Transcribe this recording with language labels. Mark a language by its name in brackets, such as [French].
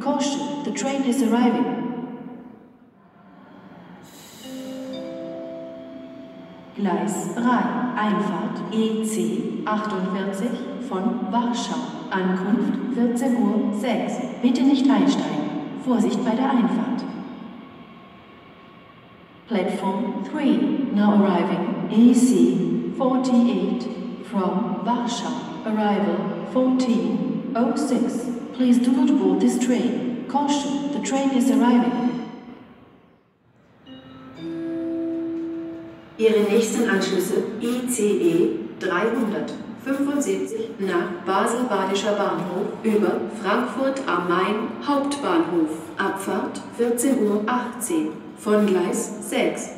[English] Caution, the train is arriving. [German] Gleis 3, Einfahrt EC 48 von Warschau. Ankunft 14.06 Uhr. Bitte nicht einsteigen. Vorsicht bei der Einfahrt. [English] Platform 3, now arriving EC 48 from Warschau. Arrival 14.06. Please do not board this train. Caution, the train is arriving. [German] Ihre nächsten Anschlüsse ICE 375 nach Basel-Badischer Bahnhof über Frankfurt am Main Hauptbahnhof. Abfahrt 14.18 Uhr von Gleis 6.